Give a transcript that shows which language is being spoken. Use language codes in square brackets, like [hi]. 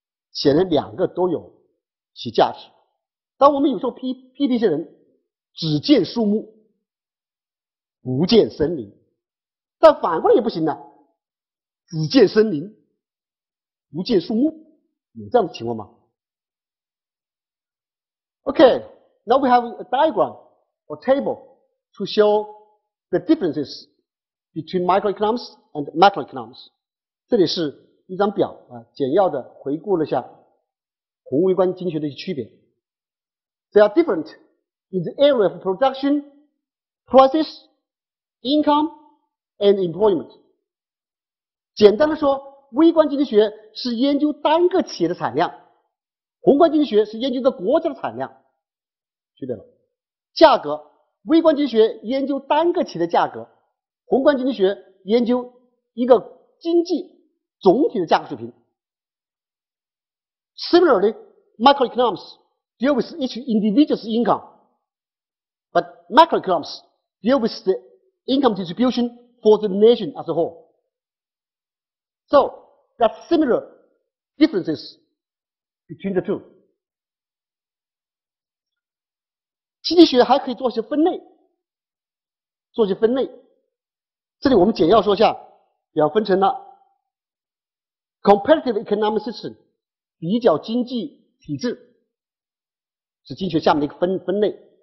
[zh] 显然两个都有其价值。当我们有时候批评一些人只见树木不见森林，但反过来也不行呢，只见森林不见树木，有这样的情况吗？ [en] OK, now we have a diagram or table to show the differences between microeconomics and macroeconomics. [zh] 这里是一张表啊，简要的回顾了一下宏微观经济学的一些区别。 [en] They are different in the area of production, prices, income, and employment. [zh] 简单的说，微观经济学是研究单个企业的产量，宏观经济学是研究的国家的产量。区别了，价格，微观经济学研究单个企业的价格，宏观经济学研究一个经济总体的价格水平。 [en] Similarly, microeconomics deal with each individual's income, but macroeconomics deal with the income distribution for the nation as a whole. So, there are similar differences between the two. [zh] 经济学还可以做一些分类，做一些分类。这里我们简要说一下，要分成了Competitive Economic System, 比较经济体制，是经济学下面的一个分类。